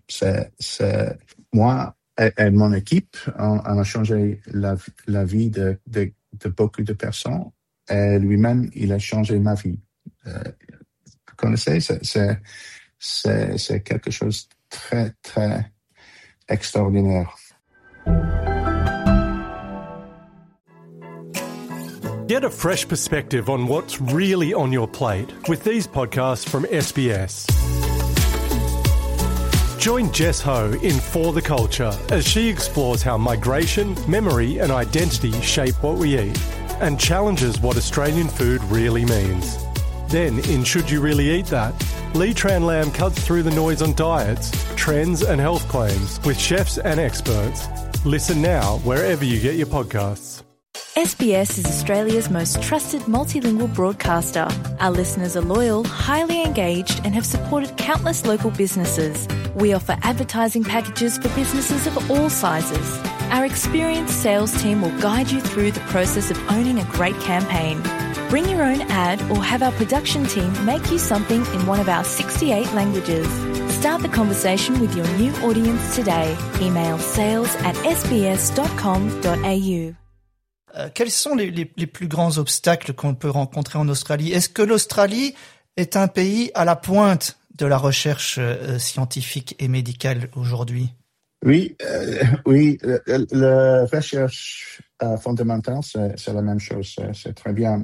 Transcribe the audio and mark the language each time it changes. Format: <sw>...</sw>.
<fr>C'est moi et mon équipe, on a changé la vie de beaucoup de personnes. Et lui-même, il a changé ma vie. Vous connaissez, c'est quelque chose de très, très extraordinaire.</fr> <en>Get a fresh perspective on what's really on your plate with these podcasts from SBS. Join Jess Ho in For the Culture as she explores how migration, memory and identity shape what we eat and challenges what Australian food really means. Then in Should You Really Eat That? Lee Tran Lam cuts through the noise on diets, trends and health claims with chefs and experts. Listen now wherever you get your podcasts. SBS is Australia's most trusted multilingual broadcaster. Our listeners are loyal, highly engaged, and have supported countless local businesses. We offer advertising packages for businesses of all sizes. Our experienced sales team will guide you through the process of owning a great campaign. Bring your own ad or have our production team make you something in one of our 68 languages. Start the conversation with your new audience today. Email sales@sbs.com.au.</en> <fr>Quels sont les plus grands obstacles qu'on peut rencontrer en Australie? Est-ce que l'Australie est un pays à la pointe de la recherche scientifique et médicale aujourd'hui? Oui, la recherche fondamentale, c'est la même chose, c'est très bien.</fr>